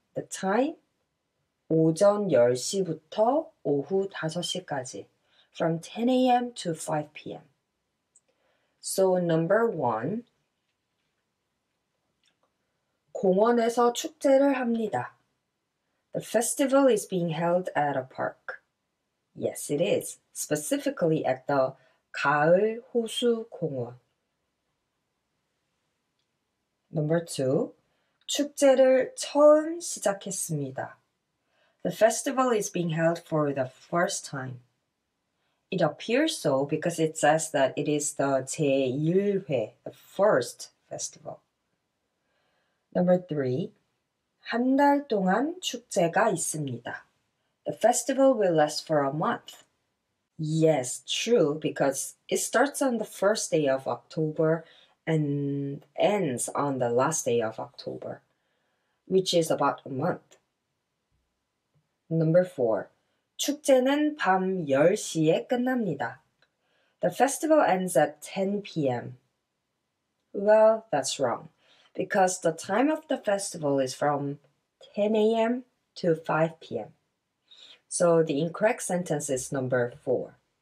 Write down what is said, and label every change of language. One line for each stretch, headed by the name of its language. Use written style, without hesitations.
English: the time,
Korean: 오전 10시부터 오후 5시까지.
English: From 10 a.m. to 5 p.m. So number one,
Korean: 공원에서 축제를 합니다.
English: The festival is being held at a park. Yes, it is. Specifically at the
Korean: 가을 호수 공원.
English: Number 2,
Korean: 축제를 처음 시작했습니다.
English: The festival is being held for the first time. It appears so because it says that it is the 제1회, the first festival. Number 3,
Korean: 한 달 동안 축제가 있습니다.
English: The festival will last for a month. Yes, true, because it starts on the first day of October and ends on the last day of October, which is about a month. Number 4.
Korean: 축제는 밤 10시에 끝납니다.
English: The festival ends at 10 p.m. Well, that's wrong, because the time of the festival is from 10 a.m. to 5 p.m. So the incorrect sentence is number 4.